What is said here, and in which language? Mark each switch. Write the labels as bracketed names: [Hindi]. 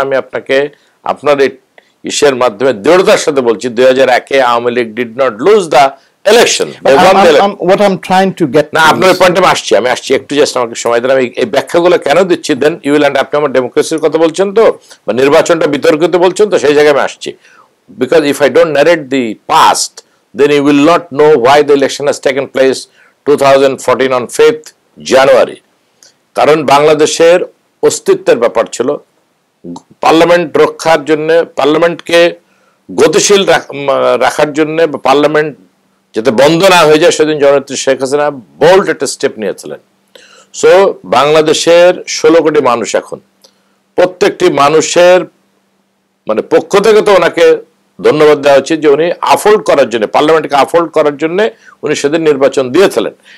[Bangla] আমি আপনাকে আপনার এই ইস্যুর মাধ্যমে দৃঢ়তার সাথে বলছি, 2001-এ Awami League [English] Did not lose the election. What I am trying to get, [Bangla] না আপনার পয়েন্টে আমি আসছি, একটু জাস্ট আমাকে সময় দিন, আমি এই ব্যাখ্যাগুলো কেন দিচ্ছি, [English] Then you will understand. [Bangla] আপনি আমার ডেমোক্রেসির কথা বলছেন তো, বা নির্বাচনটা বিতর্কিত বলছেন তো, সেই জায়গায় আমি আসছি। [English] Because if I don't narrate the past, then you will not know why the election has taken place 2014 on 5th January. [Bangla] কারণ বাংলাদেশের অস্তিত্বের ব্যাপার ছিল, পার্লামেন্ট রক্ষার জন্য, পার্লামেন্টকে গতিশীল রাখার জন্য, পার্লামেন্ট যাতে বন্ধ না হয়ে যায়, সেদিন জননেত্রী শেখ হাসিনা বোল্ড একটা স্টেপ নিয়েছিলেন। সো বাংলাদেশের 16 কোটি মানুষ এখন, প্রত্যেকটি মানুষের মানে পক্ষ থেকে তো ওনাকে ধন্যবাদ দেওয়া উচিত যে উনি আফোল্ড করার জন্য, পার্লামেন্টকে আফোল্ড করার জন্য উনি সেদিন নির্বাচন দিয়েছিলেন।